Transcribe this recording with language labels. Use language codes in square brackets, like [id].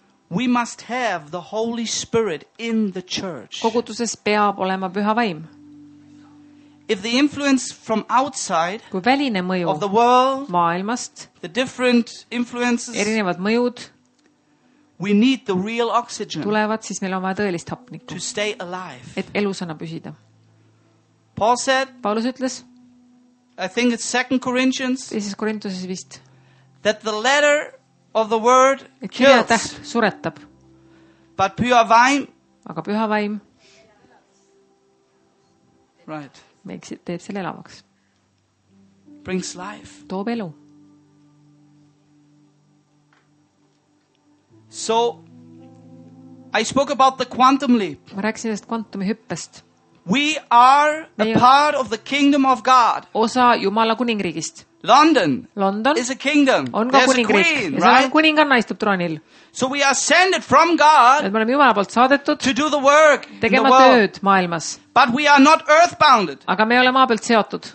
[en] We must have the Holy Spirit in the church. [et] Kogutuses peab olema püha vaim. [en] If the influence from outside, [et] kui väline mõju [en] of the world, [et] maailmast, [en] the different influences, [et] erinevad mõjud, [en] we need the real oxygen, [et] tulevad, siis meil on vaja tõelist hapnikku, [en] to stay alive, [et] et elusana püsida. [en] Paul said, [et] Paulus ütles, [en] I think it's 2 Corinthians, [et] siis Korintuses vist, [en] that the letter of the word kills, [et] suretab, but püha vaim, aga püha vaim, [en] right, [et] meeks teeb selle elavaks. [en] Brings life. [et] Toob elu. [en] So I spoke about the quantum leap. [et] Ma rääksin sellest kvantumi hüppest. [en] We are a part of the kingdom of God. [et] Osa Jumala kuningriigist. [en] London. [et] London [en] is a kingdom. [et] On ka kuningriik. Ja see on kuninganna istub troonil. [en] So we are sent from God. [et] Me oleme Jumala poolt saadetud. [en] To do the work. [et] Tegema tööd maailmas. [en] But we are not earthbounded. [et] Aga me oleme maa pealt seotud.